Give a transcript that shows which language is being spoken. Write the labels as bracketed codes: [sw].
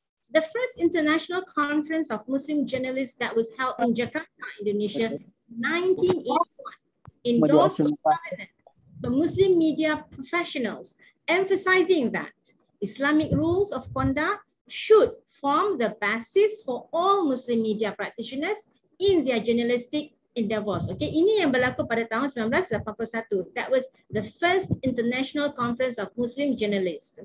[en] The first international conference of Muslim journalists that was held in Jakarta, Indonesia, 1981, endorsed the Muslim media professionals, emphasizing that Islamic rules of conduct should form the basis for all Muslim media practitioners in their journalistic endeavors. [id] Okay, ini yang berlaku pada tahun 1981. [en] That was the first international conference of Muslim journalists.